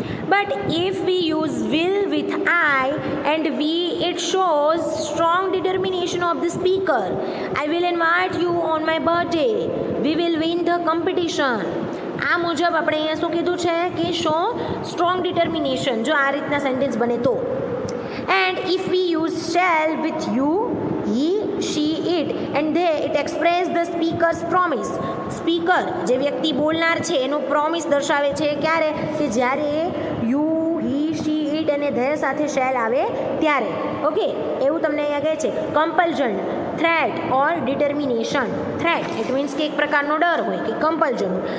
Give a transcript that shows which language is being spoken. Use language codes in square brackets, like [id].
[en] But if we use will with I and we, it shows strong determination of the speaker. I will invite you on my birthday. We will win the competition. [gu] આ મુજબ આપણે અહીંયા શું કીધું છે કે [en] show strong determination, [gu] જો આ રીતના સેન્ટેન્સ બને તો. [en] And if we use shall with you, he, she, it and they, it express the speaker's promise. [gu] Speaker જે વ્યક્તિ બોલનાર છે એનો પ્રોમિસ દર્શાવે છે. ક્યારે? કે જ્યારે યુ, હી, શી, ઇટ અને ધે સાથે શેલ આવે ત્યારે. ઓકે, એવું તમને અહીંયા કહે છે. [en] Compulsion, threat or determination. [gu] Threat it means કે એક પ્રકારનો ડર હોય, કે કમ્પલ્ઝન.